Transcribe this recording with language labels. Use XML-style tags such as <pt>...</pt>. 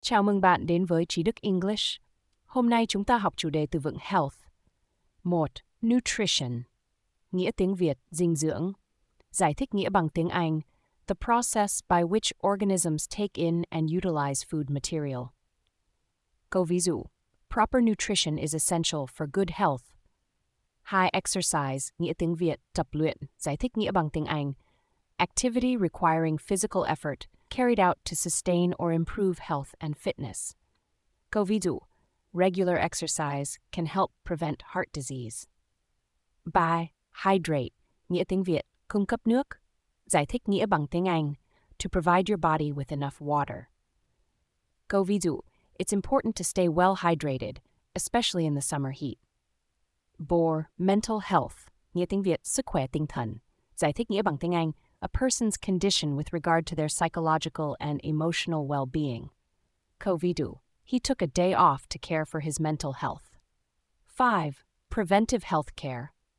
<vi>Chào mừng bạn đến với Trí Đức English. Hôm nay chúng ta học chủ đề từ vựng Health. 1. Nutrition. Nghĩa tiếng Việt, dinh dưỡng. Giải thích nghĩa bằng tiếng Anh.</vi> <en>The process by which organisms take in and utilize food material.</en> <vi>Câu ví dụ.</vi> <en>Proper nutrition is essential for good health. 2. Exercise.</en> <vi>Nghĩa tiếng Việt, tập luyện. Giải thích nghĩa bằng tiếng Anh.</vi> <en>Activity requiring physical effort, carried out to sustain or improve health and fitness.</en> <vi>Câu ví dụ,</vi> <en>regular exercise can help prevent heart disease. 3.</en> <vi>Hydrate, nghĩa tiếng Việt, cung cấp nước. Giải thích nghĩa bằng tiếng Anh,</vi> <en>to provide your body with enough water.</en> <vi>Câu ví dụ,</vi> <en>it's important to stay well hydrated, especially in the summer heat. 4.</en> <vi>Mental health, nghĩa tiếng Việt, sức khỏe tinh thần. Giải thích nghĩa bằng tiếng Anh,</vi> <en>a person's condition with regard to their psychological and emotional well-being.</en> <vi>Câu ví dụ,</vi> <en>he took a day off to care for his mental health. 5. Preventive health care.</en>